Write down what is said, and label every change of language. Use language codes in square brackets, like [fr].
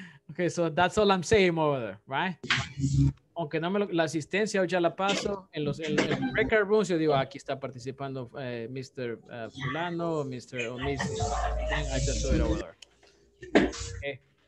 [en] Okay, so that's all I'm saying over there, right? [es] Aunque no me lo, la asistencia ya la paso en los record rooms, yo digo, ah, aquí está participando Mr. [en] Fulano, Mr. O'Neill. I just saw it over there. Okay.